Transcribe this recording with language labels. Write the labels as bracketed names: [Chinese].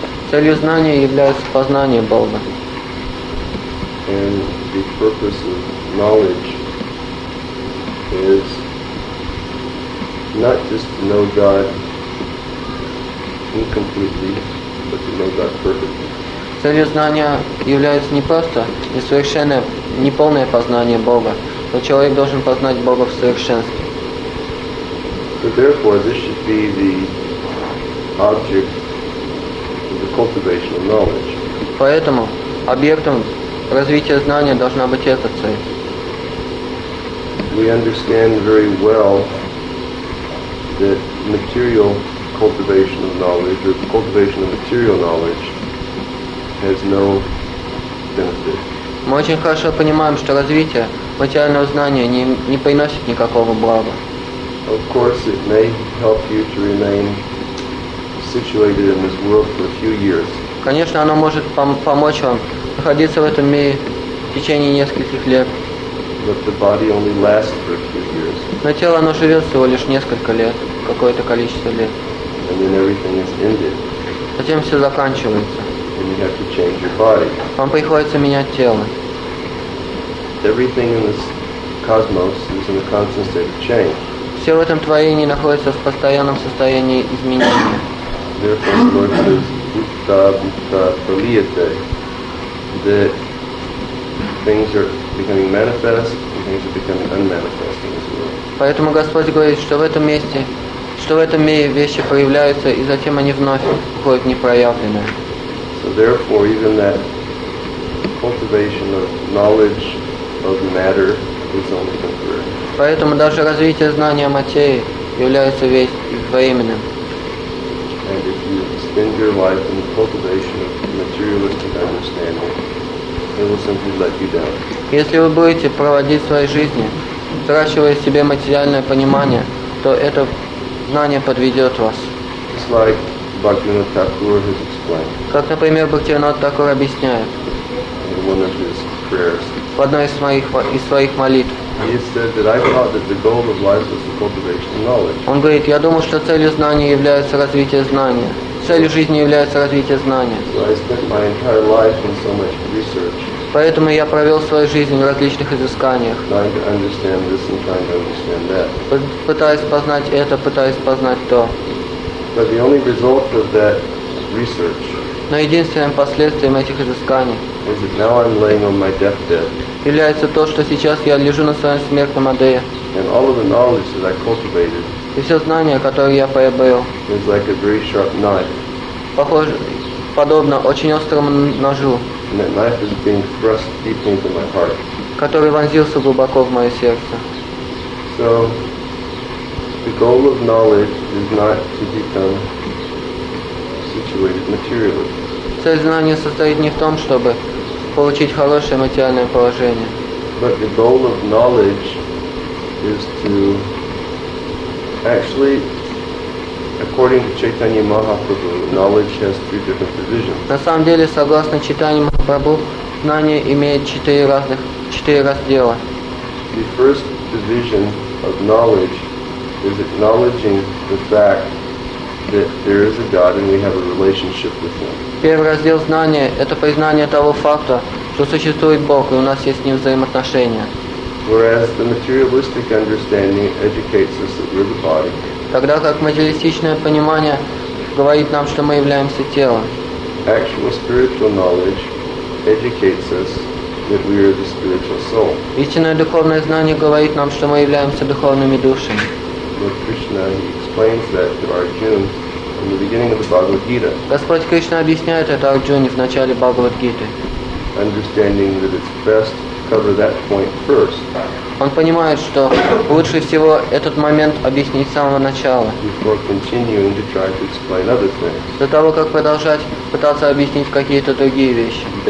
[Russian] Целью знания является познание Бога. [English] And the purpose of knowledge is not just to know God incompletely, but to know God perfectly. [Russian] Целью знания является не просто несовершенное, неполное познание Бога, но человек должен познать Бога в совершенстве. [English] So therefore, this should be the object of the cultivation of knowledge. [Russian] Поэтому объектом развития знания должна быть эта цель. [English] We understand very well that material cultivation of knowledge, or cultivation of material knowledge, has no benefit. [Russian] Мы очень хорошо понимаем, что развитие материального знания не приносит никакого блага. [English] Of course, it may help you to remain situated in this world for a few years. [Russian] Конечно, оно может помочь вам находиться в этом мире в течение нескольких лет. [English] But the body only lasts for a few years. [Russian] Но тело оно живет всего лишь несколько лет, какое-то количество лет. [English] And then everything is ended. [Russian] Затем все заканчивается. [English] And you have to change your body. [Russian] Вам приходится менять тело. [English] Everything in this cosmos is in a constant state of change. [Russian] все в этом творении находится в постоянном состоянии изменения. [English] Therefore, Lord says, [Sanskrit] "Bhuta, bhuta, paliyate." [English] The things are becoming manifest. Things are becoming unmanifest in this world. [Russian] Поэтому Господь говорит, что в этом месте, что в этом мире вещи проявляются, и затем они вновь уходят непроявленные. [English] So therefore, even that cultivation of knowledge of matter is only temporary. [Russian] Поэтому даже развитие знания материи является временным. [English] And if you spend your life in the cultivation of materialistic understanding, it will simply let you down. [Russian] Если вы будете проводить свои жизни, взращивая себе материальное понимание, то это знание подведет вас. [English] It's like Bhaktivinoda Thakur has explained. [Russian] Как, например, Бхактивинода Такур объясняет. [English] In one of his prayers. [Russian] В одной из своих молитв. [English] He said that I thought that the goal of life was the cultivation of knowledge. [Russian] Он говорит, я думал, что целью знания является развитие знания. Целью жизни является развитие знания. [English] So I spent my entire life in so much research. [Russian] Поэтому я провел свою жизнь в различных изысканиях. [English] Trying to understand this and trying to understand that. [Russian] Пытаясь познать это, пытаясь познать то. [English] But the only result of that research. [Russian] Но единственным последствием этих изысканий. [English] Is that now I'm laying on my deathbed. [Russian] Является то, что сейчас я лежу на своем смертном одре. [English] And all of the knowledge that I cultivated. [Russian] И все знания, которые я приобрел. [English] Is like a very sharp knife. [Russian] Похоже, подобно очень острому ножу. [English] And that knife is being thrust deep into my heart. [Russian] Который вонзился глубоко в мое сердце. [English] So, the goal of knowledge is not to become situated materially. [Russian] Цель знания состоит не в том, чтобы получить хорошее материальное положение. [English] But the goal of knowledge is to actually, according to Chaitanya Mahaprabhu, knowledge has three different divisions. [Russian] На самом деле, согласно Чайтанье Махапрабху, знание имеет четыре раздела. [English] The first division of knowledge is acknowledging the fact that there is a God and we have a relationship with Him. [Russian] Первый раздел знания – это признание того факта, что существует Бог, и у нас есть с Ним взаимоотношения. [English] Whereas the materialistic understanding educates us that we're the body. [Russian] Тогда как материалистичное понимание говорит нам, что мы являемся телом. [English] Actual spiritual knowledge educates us that we are the spiritual soul. [Russian] Истинное духовное знание говорит нам, что мы являемся духовными душами. [English] Lord Krishna explains that to Arjuna. In the beginning of the Bhagavad Gita. [Russian] Господь Кришна объясняет это Арджуне в начале Бхагавад Гиты. [English] Understanding that it's best to cover that point first. [Russian] Он понимает, что лучше всего этот момент объяснить с самого начала. [English] Before continuing to try to explain other things. [Russian] До того, как продолжать пытаться объяснить какие-то другие вещи.